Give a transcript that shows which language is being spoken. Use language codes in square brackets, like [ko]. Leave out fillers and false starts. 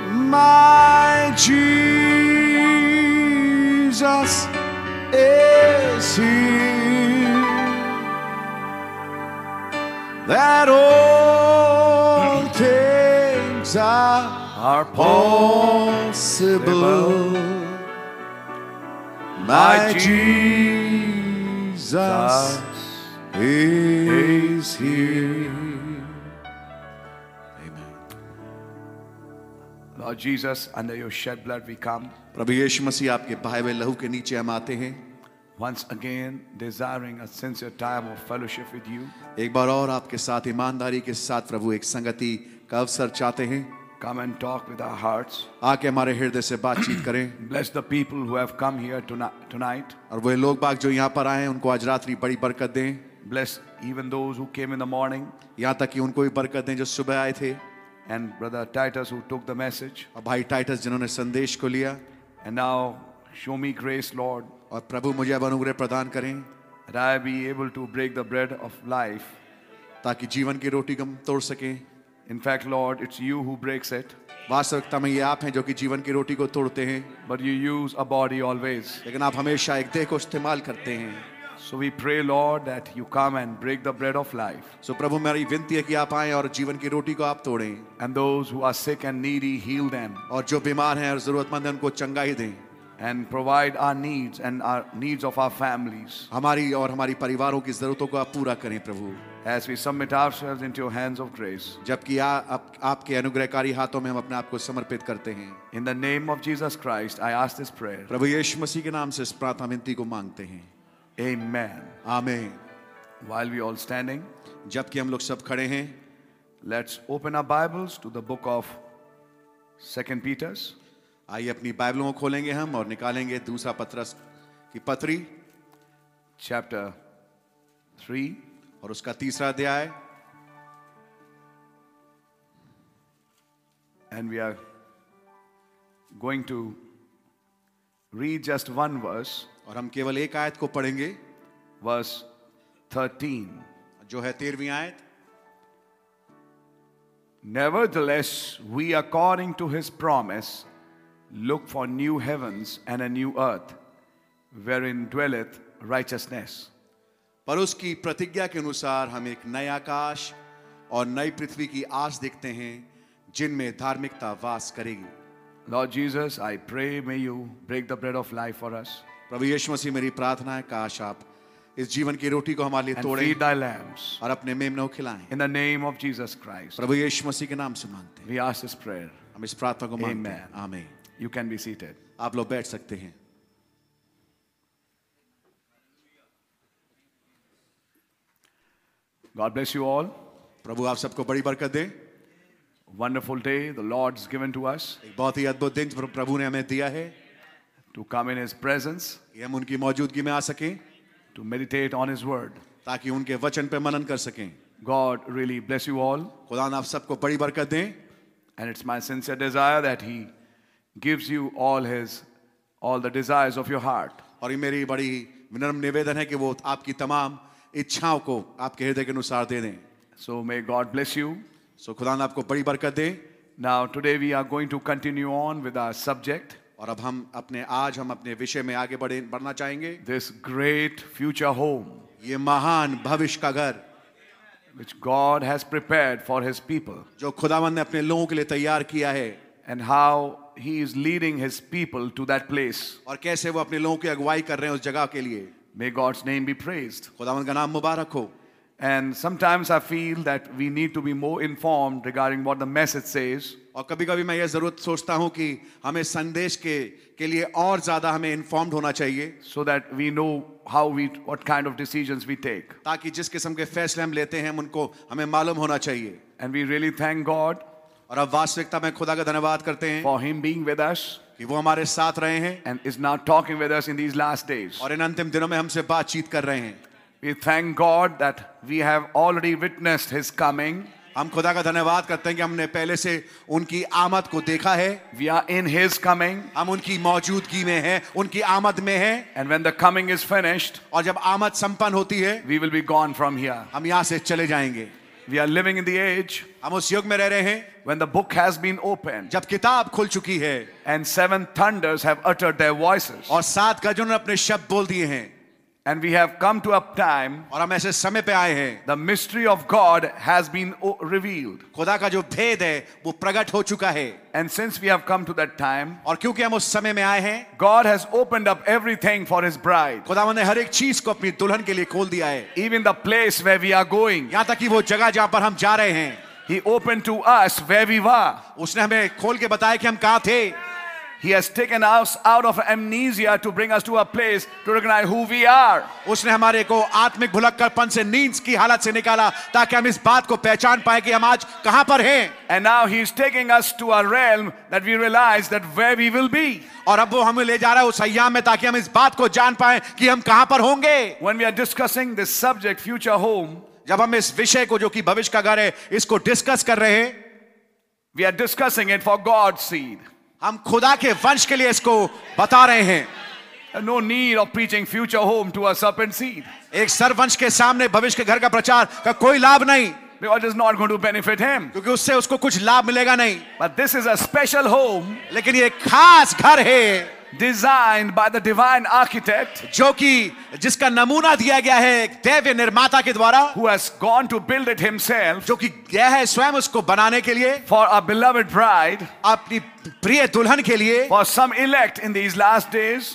[en] my Jesus is here, that all things are possible, my Jesus is here. Amen. Lord Jesus, under your shed blood we come. [hi] प्रभु यीशु मसीह आपके बहाए हुए लहू के नीचे हम आते हैं. [en] Once again, desiring a sincere time of fellowship with you. [hi] एक बार और आपके साथ ईमानदारी के साथ प्रभु एक संगति का अवसर चाहते हैं. [en] Come and talk with our hearts. [hi] आके हमारे हृदय से बातचीत करें. [en] Bless the people who have come here tonight. [hi] और वे लोग बाग जो यहाँ पर आए हैं, उनको आज रात्रि बड़ी बरकत दें. [en] Bless even those who came in the morning. [hi] यहाँ तक कि उनको भी बरकत दें जो सुबह आए थे. [en] And brother Titus who took the message. [hi] और भाई टाइटस जिन्होंने संदेश को लिया. [en] And now show me grace, Lord. [hi] और प्रभु मुझे अब अनुग्रह प्रदान करें. [en] That I be able to break the bread of life. [hi] ताकि जीवन की रोटी हम तोड़ सकें. [en] In fact, Lord, it's you who breaks it. [hi] वास्तविकता में ये आप हैं जो कि जीवन की रोटी को तोड़ते हैं. [en] But you use a body always. [hi] लेकिन आप हमेशा एक देह को इस्तेमाल करते हैं. [en] So we pray, Lord, that you come and break the bread of life. [hi] So प्रभु मेरी विनती है कि आप आएं और जीवन की रोटी को आप तोड़ें. [en] And those who are sick and needy, heal them. [hi] और जो बीमार हैं और जरूरतमंद हैं उनको चंगाई दें. [en] And provide our needs and our needs of our families. [hi] हमारी और हमारी परिवारों की जरूरतों को आप पूरा करें प्रभु. [en] As we submit ourselves into your hands of grace. [hi] जबकि आपके अनुग्रहकारी हाथों में हम अपने आप को समर्पित करते हैं. [en] In the name of Jesus Christ, I ask this prayer. [hi] प्रभु यीशु मसीह के नाम से इस प्रार्थना विनती को मांगते हैं. [en] Amen. Amen. While we all standing. [hi] जबकि हम लोग सब खड़े हैं. [en] Let's open our Bibles to the book of 2 Peter. [hi] आइए अपनी बाइबलों को खोलेंगे हम और निकालेंगे दूसरा पत्रस की पत्री. [en] Chapter 3. [hi] और उसका तीसरा अध्याय. [en] And we are going to read just one verse. [hi] और हम केवल एक आयत को पढ़ेंगे. [en] Verse 13. [hi] जो है 13वीं आयत. [en] Nevertheless, we according to his promise look for new heavens and a new earth wherein dwelleth righteousness. [hi] पर उसकी प्रतिज्ञा के अनुसार हम एक नया आकाश और नई पृथ्वी की आस देखते हैं जिनमें धार्मिकता वास करेगी. [en] Lord Jesus, I pray may you break the bread of life for us. [hi] प्रभु यीशु मसीह मेरी प्रार्थना है काश आप इस जीवन की रोटी को हमारे लिए तोड़ें. [en] Feed thy lambs. [hi] और अपने मेमनों को खिलाएं. [en] In the name of Jesus Christ. [hi] प्रभु यीशु मसीह के नाम से मांगते हैं. [en] We ask this prayer. [hi] हम इस प्रार्थना को मांगते हैं. आमीन. [en] You can be seated. [hi] आप लोग बैठ सकते हैं. [en] God bless you all. [hi] प्रभु आप सबको बड़ी बरकत दे. [en] Wonderful day the Lord has given to us. [hi] बहुत ही अद्भुत दिन प्रभु ने हमें दिया है. [en] To come in his presence. [hi] हम उनकी मौजूदगी में आ सकें. [en] To meditate on his word. [hi] ताकि उनके वचन पे मनन कर सकें. [en] God really bless you all. [hi] खुदा आप सबको बड़ी बरकत दे. [en] And it's my sincere desire that he gives you all the desires of your heart. [hi] और ये मेरी बड़ी विनम्र निवेदन है कि वो आपकी तमाम इच्छाओं को आपके हृदय के अनुसार दे दें. [en] So may God bless you. [hi] So खुदा आपको बड़ी बरकत दे. [en] Now today we are going to continue on with our subject. [hi] और अब हम अपने आज हम अपने विषय में आगे बढ़ना चाहेंगे. [en] This great future home. [hi] ये महान भविष्य का घर. [en] Which God has prepared for his people. [hi] जो खुदावंद ने अपने लोगों के लिए तैयार किया है. [en] And how he is leading his people to that place. [hi] और कैसे वो अपने लोगों की अगुवाई कर रहे हैं उस जगह के लिए. [en] May God's name be praised. [hi] खुदावंद का नाम मुबारक हो. [en] And sometimes I feel that we need to be more informed regarding what the message says. [hi] और कभी-कभी मैं यह जरूरत सोचता हूँ कि हमें संदेश के लिए और ज़्यादा हमें informed होना चाहिए. [en] So that we know how we what kind of decisions we take. [hi] ताकि जिस किस्म के फैसले हम लेते हैं उनको हमें मालूम होना चाहिए. [en] And we really thank God. [hi] और अब वास्तविकता में खुदा का धन्यवाद करते हैं. [en] For him being with us. [hi] कि वो हमारे साथ रहे हैं. [en] And is now talking with us in these last days. [hi] और इन अंतिम दिनों में हमसे बातचीत कर रहे हैं. [en] We thank God that we have already witnessed his coming. [hi] हम खुदा का धन्यवाद करते हैं कि हमने पहले से उनकी आमद को देखा है. [en] We are in his coming. [hi] हम उनकी मौजूदगी में हैं, उनकी आमद में हैं. [en] And when the coming is finished. [hi] और जब आमद संपन्न होती है. [en] We will be gone from here. [hi] हम यहाँ से चले जाएंगे. [en] We are living in the age. [hi] हम उस युग में रह रहे हैं. [en] When the book has been opened. [hi] जब किताब खुल चुकी है. [en] And seven thunders have uttered their voices. [hi] और सात गजों ने अपने शब्द बोल दिए हैं. [en] And we have come to a time. [hi] और हम ऐसे समय पे आए हैं. [en] The mystery of God has been revealed. [hi] खुदा का जो भेद है वो प्रकट हो चुका है. [en] And since we have come to that time. [hi] और क्योंकि हम उस समय में आए हैं. [en] God has opened up everything for his bride. [hi] खुदा ने हर एक चीज को अपनी दुल्हन के लिए खोल दिया है. [en] Even the place where we are going. [hi] यहाँ तक कि वो जगह जहाँ पर हम जा रहे हैं. [en] He opened to us where we were. [hi] उसने हमें खोल के बताया कि हम कहाँ थे. [en] He has taken us out of amnesia to bring us to a place to recognize who we are. [hi] उसने हमारे को आत्मिक भुलक्कड़पन से नींद की हालत से निकाला ताकि हम इस बात को पहचान पाए कि हम आज कहां पर हैं. [en] And now he is taking us to a realm that we realize that where we will be. [hi] और अब वो हमें ले जा रहा है उस अय्याम में ताकि हम इस बात को जान पाएं कि हम कहां पर होंगे. [en] When we are discussing this subject, future home, [hi] जब हम इस विषय को जो कि भविष्य का घर है इसको डिस्कस कर रहे हैं. [en] We are discussing it for God's seed. [hi] हम खुदा के वंश के लिए इसको बता रहे हैं. [en] No need of preaching future home to a serpent seed. [hi] एक सर्प वंश के सामने भविष्य के घर का प्रचार का कोई लाभ नहीं. [en] Because it is not going to benefit him. [hi] क्योंकि उससे उसको कुछ लाभ मिलेगा नहीं. [en] But this is a special home. [hi] लेकिन ये खास घर है. [en] Designed by the divine architect, [hi] जो कि जिसका नमूना दिया गया है दैव्य निर्माता के द्वारा, [en] who has gone to build it himself, [hi] जो कि गया है स्वयं उसको बनाने के लिए, [en] for a beloved bride, [hi] अपनी प्रिय दुल्हन के लिए, [en] for some elect in these last days,